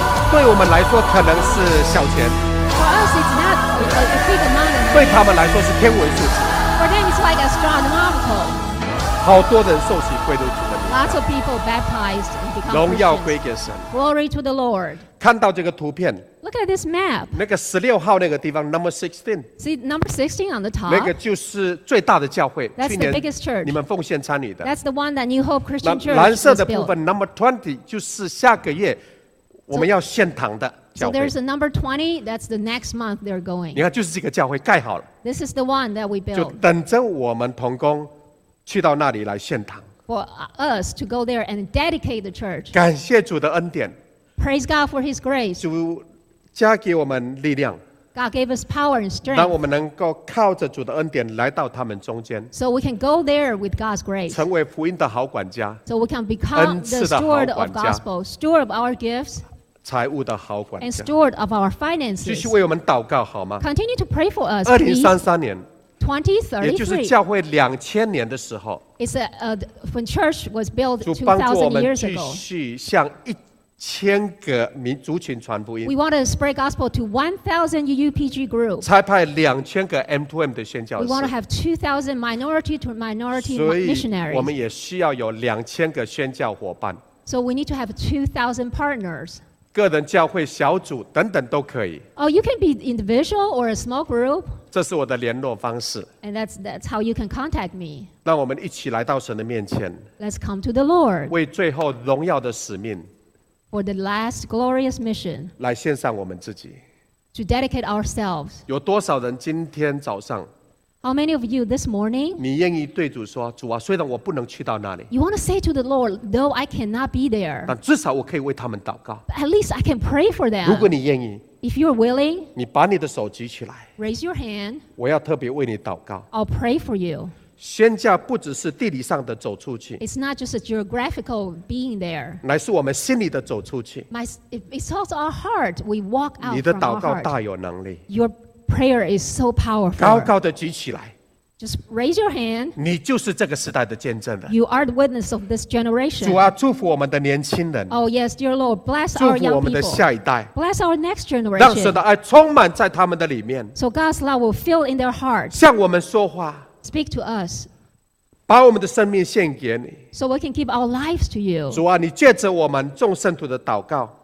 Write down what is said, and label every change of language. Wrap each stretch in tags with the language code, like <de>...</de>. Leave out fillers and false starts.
<zh>对我们来说可能是小钱。</zh> <en>For us it's not a big amount.</en> <zh>对他们来说是天文数字。</zh> <en>For them it's like astronomical.</en> <zh>好多人受洗归入主的。</zh> <en>Lots of people baptized and become Christians.</en> <zh>荣耀归给神。</zh> <en>Glory to the Lord.</en> <zh>看到这个图片。</zh> <en>Look at this map.</en> <zh>那个16号那个地方 ，</zh> <en>Number 16. See number 16 on the top.</en> <zh>那个就是最大的教会。</zh> <en>That's the biggest church.</en> <zh>你们奉献参与的。</zh> <en>That's the one that New Hope Christian Church.</en> <zh>蓝色的部分 ，</zh> <en>Number 20</en> <zh>就是下个月我们要献堂的教会。</zh> <en>So there's a number 20. That's the next month they're going.</en> <zh>你看，就是这个教会盖好了。</zh> <en>This is the one that we built.</en> <zh>就等着我们同工去到那里来献堂。</zh> <en>For us to go there and dedicate the church.</en> <zh>感谢主的恩典。</zh> <en>Praise God for His grace.</en> <zh>加给我们力量</zh> <en>God gave us power and strength,</en> <zh>让我们能够靠着主的恩典来到他们中间</zh> <en>so we can go there with God's grace,</en> <zh>成为福音的好管家</zh> <en>so we can become the steward of gospel, steward of our gifts,</en> <zh>财务的好管家</zh> <en>and steward of our finances.</en> <zh>继续为我们祷告好吗</zh> <en>Continue to pray for us,</en> <zh>2033年</zh> <en>2033,</en> <zh>也就是教会2000年的时候</zh> <en>It's when church was built 2000 years ago.</en> <zh>主帮助我们继续向一千个民族群传福音。</zh> <en>We want to spread gospel to 1,000 UUPG groups.</en> <zh>差派2,000个 M2M 的宣教士。</zh> <en>We want to have 2,000 minority to minority missionaries.</en> <zh>所以我们也需要有2,000个宣教伙伴。</zh> <en>So we need to have 2,000 partners.</en> <zh>个人教会、小组等等都可以。</zh> <en>Oh, you can be individual or a small group.</en> <zh>这是我的联络方式。</zh> <en>And that's how you can contact me.</en> <zh>让我们一起来到神的面前。</zh> <en>Let's come to the Lord.</en> <zh>为最后荣耀的使命。</zh> <en>For the last glorious mission,</en> <zh>来献上我们自己</zh> <en>to dedicate ourselves.</en> <zh>有多少人今天早上</zh> <en>How many of you this morning?</en> <zh>你愿意对主说，主啊，虽然我不能去到那里</zh> <en>You want to say to the Lord, though I cannot be there.</en> <zh>但至少我可以为他们祷告</zh> <en>At least I can pray for them.</en> <zh>如果你愿意</zh> <en>If you're willing,</en> <zh>你把你的手举起来</zh> <en>Raise your hand.</en> <zh>我要特别为你祷告</zh> <en>I'll pray for you.</en> <zh>宣教不只是地理上的走出去</zh> <en>It's not just a geographical being there</en> <zh>乃是我们心里的走出去</zh> <en>It's also our heart We walk out from our heart</en> <zh>你的祷告大有能力</zh> <en>Your prayer is so powerful</en> <zh>高高的举起来</zh> <en>Just raise your hand</en> <zh>你就是这个时代的见证了</zh> <en>You are the witness of this generation</en> <zh>主啊祝福我们的年轻人</zh> <en>Oh yes dear Lord Bless our young people</en> <zh>祝福我们的下一代</zh> <en>Bless our next generation</en> <zh>让神的爱充满在他们的里面</zh> <en>So God's love will fill in their heart</en> <zh>向我们说话</zh> <en>Speak to us.</en> <zh>把我们的生命献给你。</zh> <en>So we can give our lives to you.</en> <zh>主啊，你借着我们众圣徒的祷告。</zh>